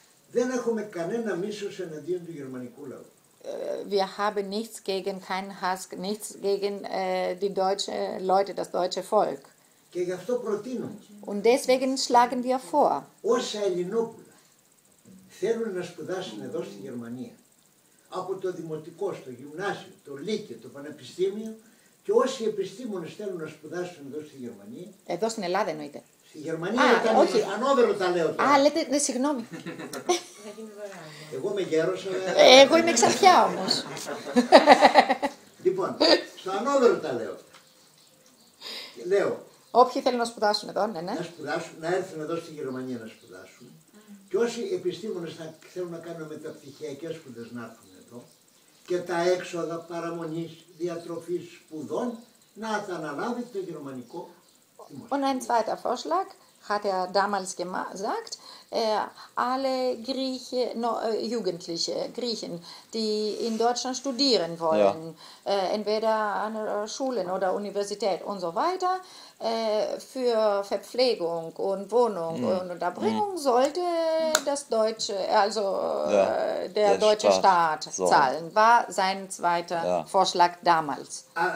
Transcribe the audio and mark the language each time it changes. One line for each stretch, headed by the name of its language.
Greek: Δεν έχουμε κανένα μίσος εναντίον του γερμανικού λαού.
German: Wir haben nichts gegen, keinen Hass, nichts gegen die deutsche Leute, das deutsche Volk.
Greek: Και γι' αυτό προτείνουμε.
German: Und deswegen schlagen wir vor.
Greek: Όσα Ελληνόπουλα θέλουν να σπουδάσουν εδώ στη Γερμανία, από το δημοτικό, στο γυμνάσιο, το λύκειο, το πανεπιστήμιο, και όσοι επιστήμονες θέλουν να σπουδάσουν εδώ στη Γερμανία. Εδώ στην Ελλάδα εννοείται. Στη Γερμανία, όχι. Ανώβελο τα λέω τώρα. Α, λέτε, ναι, συγγνώμη. Εγώ είμαι γέρος. Εγώ είμαι εξαρχιά όμως. Λοιπόν, στο ανώβελο τα λέω. Λέω. Όποιοι θέλουν να σπουδάσουν εδώ, ναι, ναι. Να σπουδάσουν, να έρθουν εδώ στη Γερμανία να σπουδάσουν. Και όσοι επιστήμονες θα θέλουν να κάνουν μεταπτυχιακές σπουδές να έρθουν εδώ και τα έξοδα παραμονής, διατροφής, σπουδών να τα αναλάβει το γερμανικό δημόσιο.
German: Und ein zweiter Vorschlag hat damals gesagt, alle Grieche, no, Jugendliche, Griechen, die in Deutschland studieren wollen, ja. Entweder an Schulen oder Universität und so weiter, für Verpflegung und Wohnung und Unterbringung sollte das deutsche, also ja, der deutsche Staat so zahlen, war sein zweiter Vorschlag damals.